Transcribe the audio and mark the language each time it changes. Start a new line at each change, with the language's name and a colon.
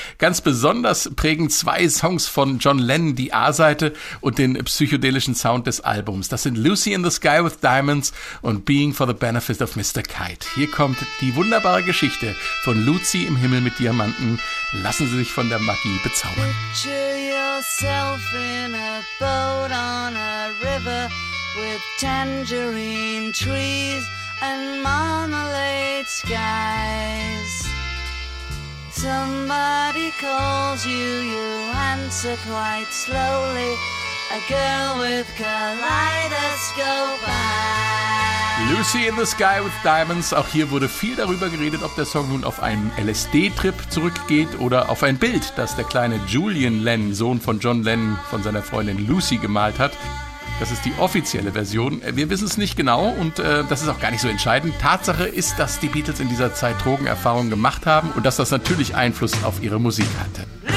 German: Ganz besonders prägen 2 Songs von John Lennon die A-Seite und den psychedelischen Sound des Albums. Das sind Lucy in the Sky with Diamonds und Being for the Benefit of Mr. Kite. Hier kommt die wunderbare Geschichte von Lucy im Himmel mit Diamanten. Lassen Sie sich von der Magie bezaubern.
English: In a boat on a river with tangerine trees and marmalade skies. Somebody calls you, you answer quite slowly. A girl with kaleidoscope eyes. Lucy in the Sky with Diamonds.
German: Auch hier wurde viel darüber geredet, ob der Song nun auf einen LSD-Trip zurückgeht oder auf ein Bild, das der kleine Julian Lennon, Sohn von John Lennon, von seiner Freundin Lucy gemalt hat. Das ist die offizielle Version. Wir wissen es nicht genau und das ist auch gar nicht so entscheidend. Tatsache ist, dass die Beatles in dieser Zeit Drogenerfahrungen gemacht haben und dass das natürlich Einfluss auf ihre Musik hatte.